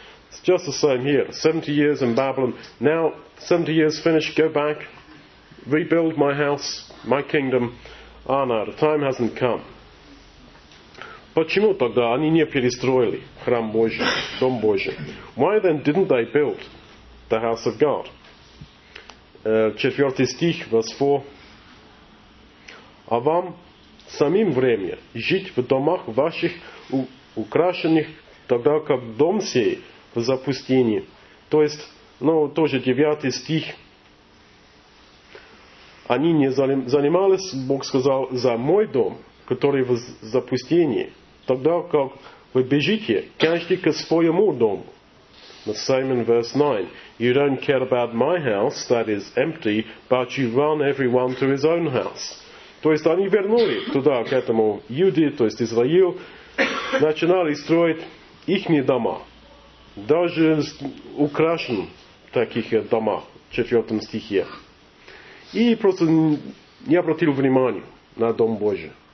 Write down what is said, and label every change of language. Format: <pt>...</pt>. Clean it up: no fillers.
<en>It's just the same here. 70 years in Babylon. Now, 70 years finished, go back. Rebuild my house, my kingdom. Ah, no, the time hasn't come.</en> <ru>Почему тогда они не перестроили храм Божий, дом Божий?</ru> <en>Why then didn't they build the house of God?</en> <ru>4 стих,</ru> <en>verse 4.</en> <ru>А вам самим время жить в домах ваших украшенных, тогда как дом сей в запустении. То есть, ну, тоже 9 стих. Они не занимались, Бог сказал, за мой дом, который в запустении. Тогда как вы бежите, каждый к своему дому.</ru> <en>The same in verse 9. You don't care about my house that is empty, but you run everyone to his own house.</en> <ru>То есть они вернули туда, к этому Юде, то есть Израил, начинали строить их дома. Даже украшен таких дома в 4 стихе. И просто не обратил внимания на дом Божий.</ru>